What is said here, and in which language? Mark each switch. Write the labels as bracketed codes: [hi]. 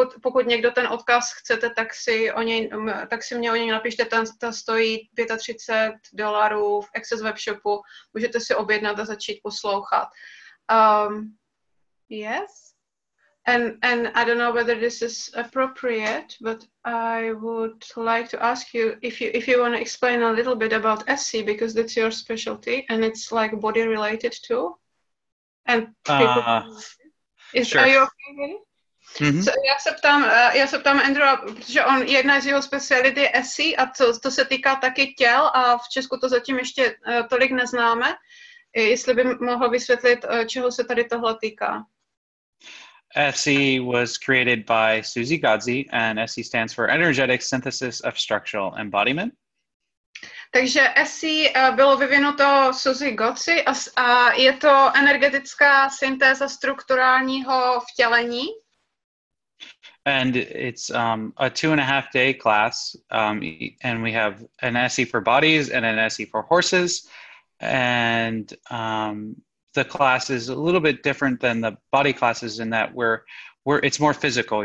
[cs] Pokud někdo ten odkaz chcete, tak si mě o něj napište, ta stojí $35 v Access webshopu. Můžete si objednat a začít poslouchat. [en] Yes? And I don't know whether this is appropriate, but I would like to ask you if you want to explain a little bit about SC, because that's your specialty and it's like body related too. And are you okay with it? Mm-hmm. [cs] Já se ptám Andrewa, protože on jedna z jeho speciality je SC, a to se týká taky těl, a v Česku to zatím ještě tolik neznáme. Jestli by mohl vysvětlit, čeho se tady tohle týká. [en] SC was created by Susie Godsey, and SC stands for Energetic Synthesis of Structural Embodiment. [cs] Takže SC bylo vyvinuto Susie Godsey a je to energetická syntéza strukturálního vtělení. [en] And it's a 2.5-day class, and we have an SC for bodies and an SC for horses, and... the class is a little bit different than the body classes in that we're it's more physical.